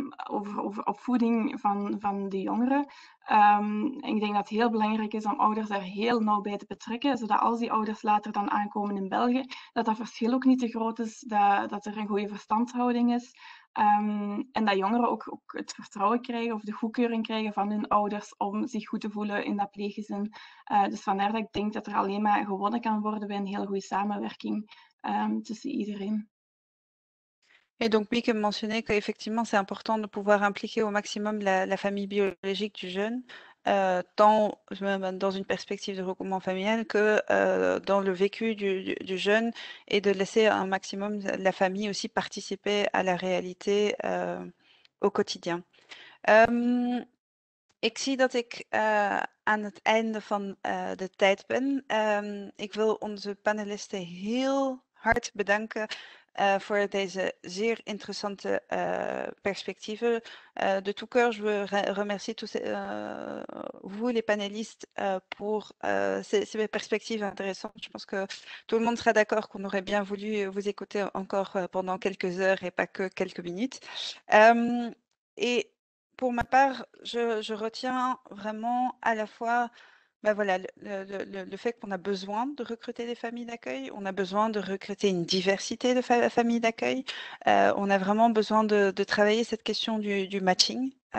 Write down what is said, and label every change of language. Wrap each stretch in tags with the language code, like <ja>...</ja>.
<nl>Over opvoeding van de jongeren. Ik denk dat het heel belangrijk is om ouders daar heel nauw bij te betrekken, zodat als die ouders later dan aankomen in België, dat verschil ook niet te groot is, dat er een goede verstandhouding is, En dat jongeren ook het vertrouwen krijgen of de goedkeuring krijgen van hun ouders om zich goed te voelen in dat pleeggezin. Dus vandaar dat ik denk dat er alleen maar gewonnen kan worden bij een heel goede samenwerking tussen iedereen.</nl> <fr>Et donc, Mieke mentionnait qu'effectivement, c'est important de pouvoir impliquer au maximum la famille biologique du jeune, tant dans une perspective de regroupement familial que dans le vécu du jeune, et de laisser un maximum la famille aussi participer à la réalité au quotidien.</fr> <nl>Ik zie dat ik aan het einde van de tijd ben. Ik wil onze panelisten heel hard bedanken. Voor deze zeer interessante perspectieven.</nl> <fr>De tout cœur, je veux remercier tous vous, les panélistes, pour ces perspectives intéressantes. Je pense que tout le monde sera d'accord qu'on aurait bien voulu vous écouter encore pendant quelques heures et pas que quelques minutes. Et pour ma part, je retiens vraiment à la fois le fait qu'on a besoin de recruter des familles d'accueil, on a besoin de recruter une diversité de familles d'accueil, on a vraiment besoin de travailler cette question du matching,</fr>